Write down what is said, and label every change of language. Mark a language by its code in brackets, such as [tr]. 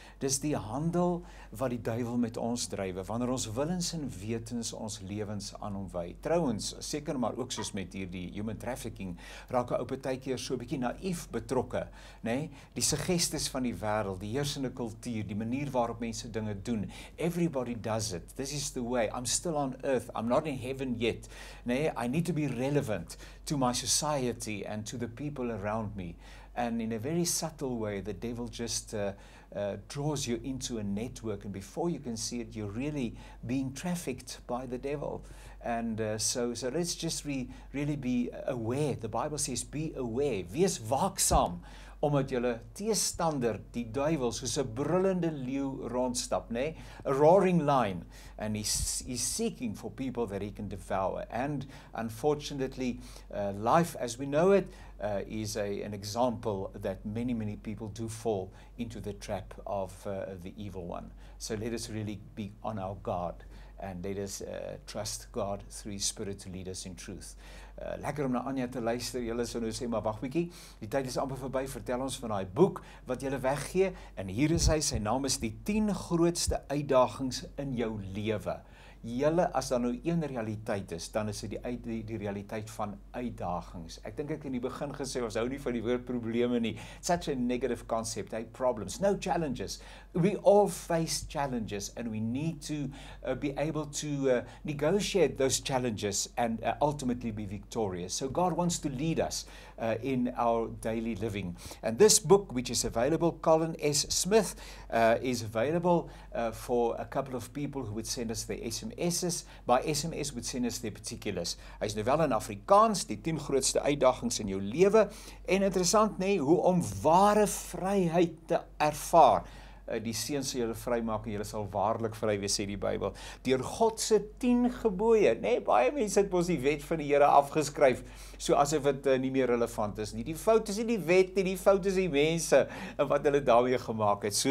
[af] Dis die handel wat die duiwel met ons drywe wanneer ons willens en wetens ons lewens aan hom wy. Trouwens, seker maar ook soos met hierdie human trafficking, raak 'n ou partykeer so 'n bietjie naïef betrokke, nê. Die suggesties van die wêreld, die heersende kultuur, die manier waarop mense dinge doen. [en] Everybody does it. This is the way. I'm still on earth. I'm not in heaven yet. Nê, I need to be relevant to my society and to the people around me, and in a very subtle way the devil just draws you into a network, and before you can see it you're really being trafficked by the devil. And so let's just really be aware. The Bible says be aware, [af] wees waaksaam omdat julle teestander die duiwel soos 'n brullende leeu rondstap, nê, [en] a roaring lion, and he's seeking for people that he can devour. And unfortunately, life as we know it is an example that many, many people do fall into the trap of the evil one. So let us really be on our guard, and let us trust God through His Spirit to lead us in truth. [af] Lekker om na Anja te luister. Julle sou nou sê, maar wag bietjie. Die tyd is amper verby. Vertel ons van daai boek wat jy weggee. En hier is hy. Sy naam is Die 10 Grootste Uitdagings in Jou Lewe. Julle, as daar nou een realiteit is, dan is dit die realiteit van uitdagings. Ek dink ek in die begin gesê, ons hou nie van die woord probleme nie. [en] Such a negative concept, hey, problems, no challenges. We all face challenges and we need to be able to negotiate those challenges and ultimately be victorious. So God wants to lead us in our daily living. And this book, which is available, Colin S. Smith, is available for a couple of people who would send us their SMS's. By SMS would send us their particulars. [af] Hy is nou wel in Afrikaans, die 10 grootste uitdagings in jou lewe. En interessant, nee, hoe om ware vryheid te ervaar. Die seën sal julle vrymaak en julle sal waarlik vry wees, sê die Bybel. Deur God se 10 gebooie, nê, baie mense het mos die wet van die Here afgeskryf, so asof dit nie meer relevant is nie. Die fout is nie die wet nie, die fout is die mense en wat hulle daarmee gemaak het.